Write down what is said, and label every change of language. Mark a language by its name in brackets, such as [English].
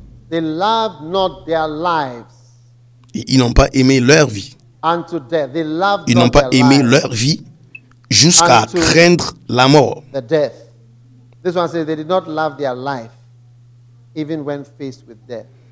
[English] They loved not their lives. [French] Ils n'ont pas aimé leur vie. [English] Unto death. They loved [French] ils n'ont [English] not [French] pas [English] their [French] aimé [English] lives. [French] Leur vie jusqu'à [English] unto [French] craindre la mort. [English] The death. This one says they did not love their life even when faced with death.